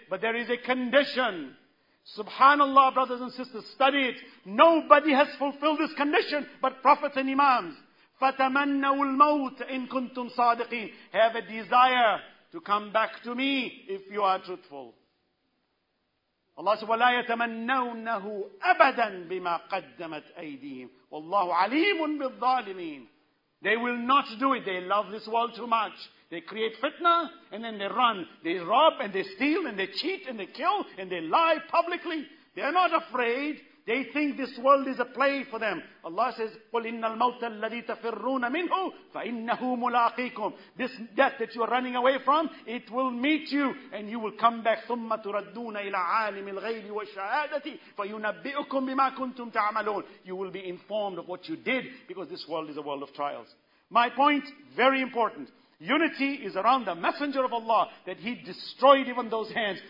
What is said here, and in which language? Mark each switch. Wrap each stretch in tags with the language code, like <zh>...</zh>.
<en>But there is a condition. Subhanallah, brothers and sisters, study it. Nobody has fulfilled this condition but prophets and imams.</en> <ar>فَتَمَنَّوا الْمَوْتَ إِنْ كُنْتُمْ صَادِقِينَ.</ar> <en>Have a desire to come back to me if you are truthful. Allah says,</en> <ar>وَلَا يَتَمَنَّوْنَهُ أَبَدًا بِمَا قَدَّمَتْ أَيْدِيهِمْ وَاللَّهُ عَلِيمٌ بِالظَّالِمِينَ.</ar> <en>They will not do it. They love this world too much. They create fitna and then they run. They rob and they steal and they cheat and they kill and they lie publicly. They are not afraid. They think this world is a play for them. Allah says,</en> <ar>قُلْ إِنَّ الْمَوْتَ الَّذِي تَفِرُّونَ مِنْهُ فَإِنَّهُ مُلَاقِيكُمْ.</ar> <en>This death that you are running away from, it will meet you and you will come back.</en> <ar>ثُمَّ تُرَدُّونَ إِلَىٰ عَالِمِ الْغَيْبِ وَالشَّهَادَةِ فَيُنَبِّئُكُمْ بِمَا كُنْتُمْ تَعْمَلُونَ.</ar> <en>You will be informed of what you did because this world is a world of trials. My point, very important. Unity is around the Messenger of Allah that He destroyed even those hands.</en>